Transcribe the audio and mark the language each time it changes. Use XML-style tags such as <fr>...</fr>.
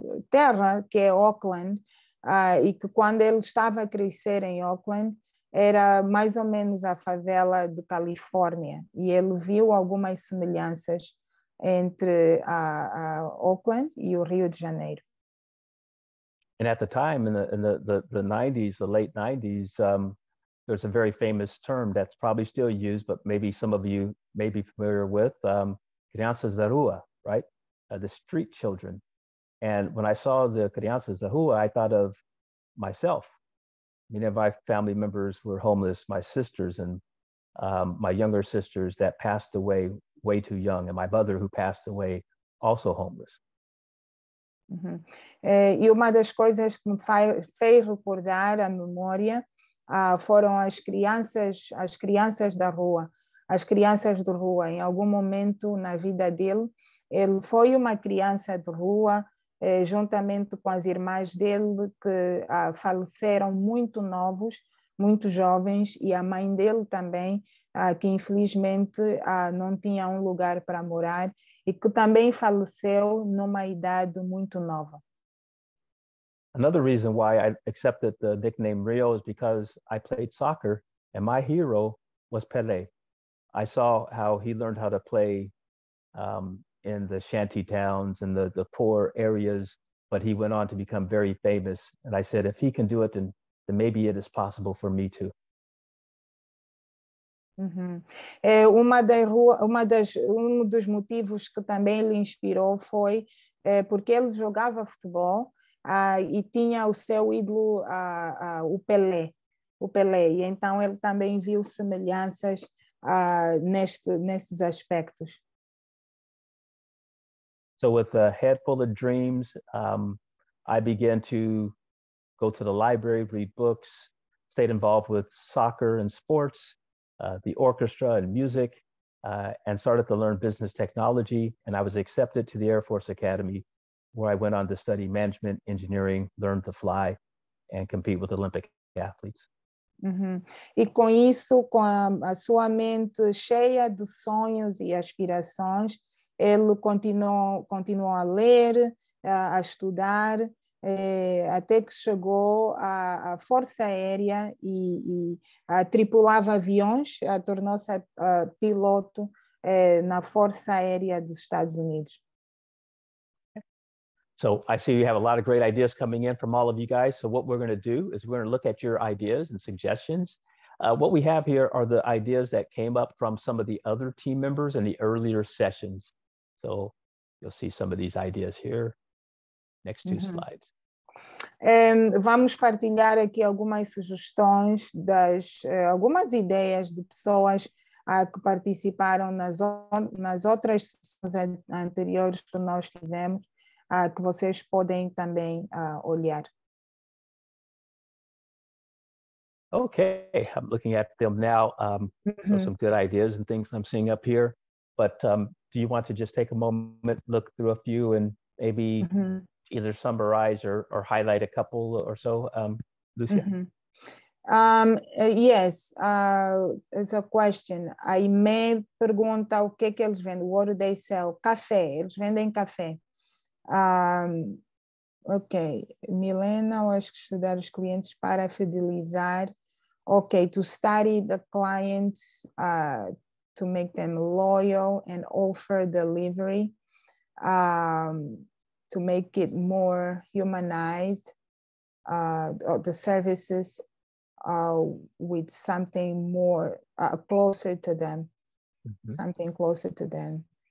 <pt>terra, que é Oakland, e que quando ele estava a crescer em Oakland, era mais ou menos a favela de Califórnia, e ele viu algumas semelhanças entre a Oakland e o Rio de Janeiro.</pt> <en>And at the time, in the 90s, the late 90s, there's a very famous term that's probably still used, but maybe some of you may be familiar with,</en> <pt>crianças da rua,</pt> <en>right? The street children. And when I saw the</en> <pt>crianças da rua,</pt> <en>I thought of myself. Many of my family members were homeless, my sisters and my younger sisters that passed away way too young, and my mother who passed away also homeless.</en> <pt>E uma das coisas que me fez recordar a memória foram as crianças da rua, as crianças de rua. Em algum momento na vida dele, ele foi uma criança de rua, juntamente com as irmãs dele, que faleceram muito novos, muito jovens, e a mãe dele também, que infelizmente não tinha lugar para morar, e que também faleceu numa idade muito nova.</pt> <en>Another reason why I accepted the nickname Rio is because I played soccer, and my hero was Pelé. I saw how he learned how to play in the shanty towns and the poor areas, but he went on to become very famous. And I said, if he can do it, then maybe it is possible for me too.</en> <pt>Um dos motivos que também lhe inspirou foi porque ele jogava futebol e tinha o seu ídolo, o Pelé. E então ele também viu semelhanças nesses aspectos.</pt> <en>So with a head full of dreams, I began to go to the library, read books, stayed involved with soccer and sports, the orchestra and music, and started to learn business technology. And I was accepted to the Air Force Academy, where I went on to study management, engineering, learn to fly, and compete with Olympic athletes. Uhum.</en> <pt>E com isso, com a sua mente cheia de sonhos e aspirações, ele continuou a ler, a estudar, até que chegou à Força Aérea e tripulava aviões, tornou-se piloto na Força Aérea dos Estados Unidos.</pt> <en>So I see you have a lot of great ideas coming in from all of you guys. So what we're going to do is we're going to look at your ideas and suggestions. What we have here are the ideas that came up from some of the other team members in the earlier sessions. So you'll see some of these ideas here. Next two slides.</en> <pt>Vamos partilhar aqui algumas sugestões das algumas ideias de pessoas que participaram nas outras sessões anteriores que nós tivemos. Que vocês podem também olhar.</pt> <en>Okay, I'm looking at them now. So some good ideas and things I'm seeing up here. But do you want to just take a moment, look through a few, and maybe either summarize or highlight a couple or so, Lucia? Yes, it's a question. I may</en> <pt>pergunta o que eles vendem.</pt> <en>What do they sell? Café.</en> <pt>Eles vendem café. Ok, Milena, eu acho que estudar os clientes para fidelizar.</pt> <en>Ok, to study the clients, to make them loyal and offer delivery, to make it more humanized, the services with something more closer to them, something closer to them.</en>